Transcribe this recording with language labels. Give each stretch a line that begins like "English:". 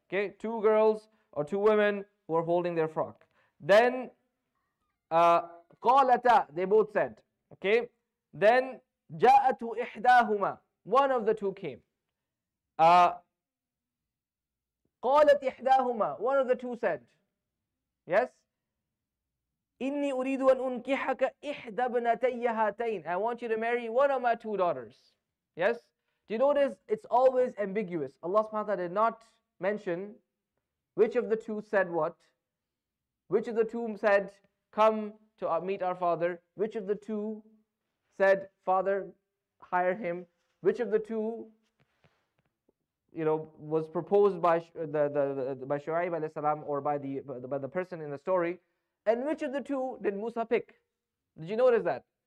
English: Okay, two girls or two women who are holding their frock. Then, قَالَتَا, they both said. Okay, then,
Arabic: جَاءَتُ إِحْدَاهُمَا,
English: one of the two came.
Arabic: قَالَتْ إِحْدَاهُمَا,
English: one of the two said. Yes?
Arabic: إِنِّي أُرِيدُ أَنْ أُنْكِحَكَ إِحْدَى بْنَتَيَّ هَاتَيْنِ.
English: I want you to marry one of my two daughters. Yes? Do you notice it's always ambiguous? Allah subhanahu wa ta'ala did not mention which of the two said what, which of the two said, come to meet our father, which of the two said, father, hire him, which of the two, you know, was proposed by by Shu'aib alayhi salam, or by the person in the story, and which of the two did Musa pick? Did you notice that?